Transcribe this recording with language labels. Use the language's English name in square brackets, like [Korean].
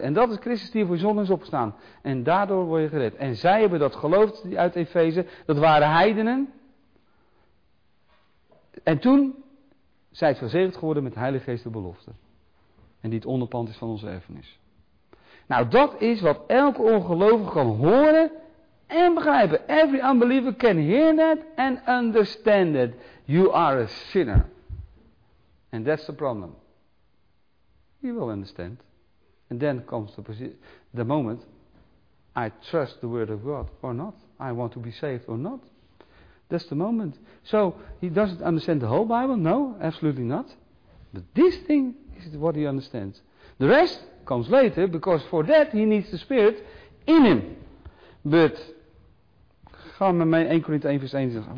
[Dutch] En dat is Christus die voor zonde is opgestaan. En daardoor word je gered. En zij hebben dat geloofd uit Efeze. Dat waren heidenen. En toen zij het verzegeld geworden met de Heilige Geest de belofte. En die het onderpand is van onze erfenis. Nou, dat is wat elke ongelovige kan horen. En begrijpen, [English] every unbeliever can hear that and understand that you are a sinner. And that's the problem. You will understand. And then comes the moment, I trust the word of God or not. I want to be saved or not. That's the moment. So, he doesn't understand the whole Bible? No, absolutely not. But this thing is what he understands. The rest comes later, because for that he needs the spirit in him. But [Dutch] ga met mij 1 Korinthe 1 vers 21.